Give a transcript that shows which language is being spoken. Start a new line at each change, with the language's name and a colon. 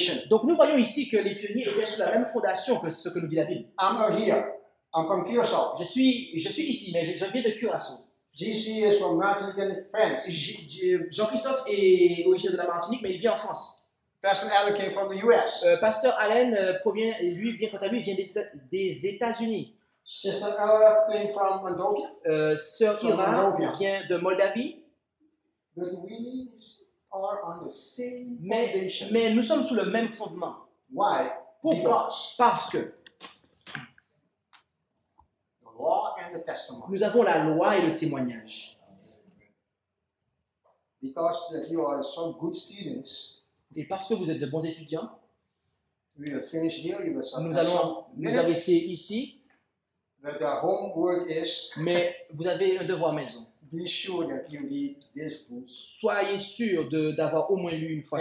French: Donc, nous voyons ici que les pionniers étaient sur la même fondation que ce que nous dit la Bible.
English: I'm not here. I'm from Curaçao.
French: Je suis ici, mais je viens de Curaçao.
English: JC is from Martinique, France.
French: Jean-Christophe est originaire de la Martinique, mais il vit en France.
English: Pastor Allen came from the U.S.
French: Pasteur Allen provient, lui vient quant à lui, vient des États-Unis.
English: Sister Ira came from Moldavia.
French: Sœur Ira vient de Moldavie.
English: But we are on the same foundation.
French: Mais nous sommes sous le même fondement.
English: Why?
French: Pourquoi? Parce que
English: the law and the testimony.
French: Nous avons la loi et le témoignage.
English: Because that you are so good students.
French: Et parce que vous êtes de bons étudiants,
English: we will finish here, we will
French: nous allons nous arrêter ici.
English: But the homework is,
French: mais vous avez un devoir maison.
English: Be sure that you read this book.
French: Soyez sûr d'avoir au moins lu une fois